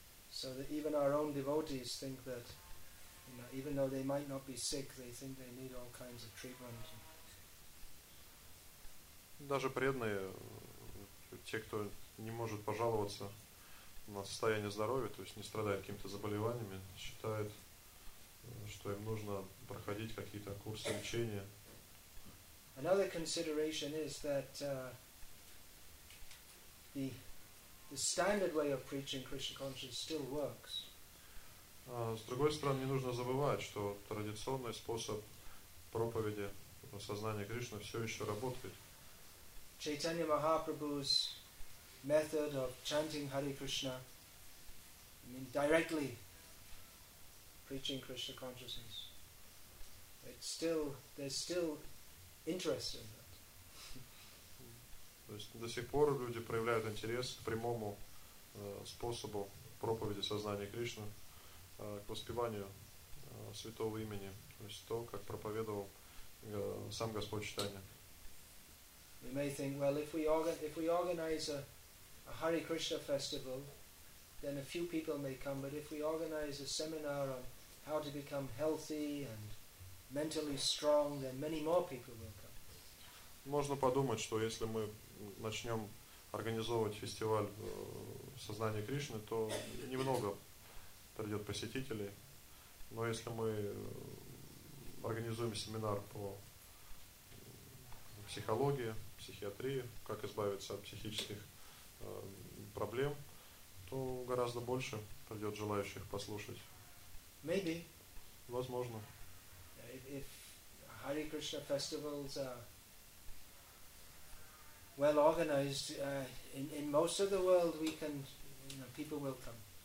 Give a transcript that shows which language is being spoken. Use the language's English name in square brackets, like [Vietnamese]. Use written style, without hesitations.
[English] So that even our own devotees think that, you know, even though they might not be sick, they think they need all kinds of treatment. [Russian] Даже преданные, те, кто не может пожаловаться на состояние здоровья, то есть не страдает какими-то заболеваниями, считают, что им нужно проходить какие-то курсы лечения. [English] Another consideration is that the standard way of preaching Krishna consciousness still works. [Russian] С другой стороны, не нужно забывать, что традиционный способ проповеди сознания Кришны все еще работает. [English] Chaitanya Mahaprabhu's method of chanting Hare Krishna, I mean directly preaching Krishna consciousness, there's still interest in that. [Russian] То есть до сих пор люди проявляют интерес к прямому способу проповеди сознания Кришны, к воспеванию святого имени, то есть то, как проповедовал сам Господь Чайтанья. [English] We may think, well, if we organize a Hare Krishna festival, then a few people may come, but if we organize a seminar on how to become healthy and mentally strong, then many more people will come. [Russian] Можно подумать, что если мы начнем организовывать фестиваль сознания Кришны, то немного придет посетителей. Но если мы организуем семинар по психология, психиатрия, как избавиться от психических проблем, то гораздо больше придет желающих послушать. [English] Maybe. [Russian] Возможно. [English] If Hare Krishna festivals are well organized, in most of the world we can, you know, people will come.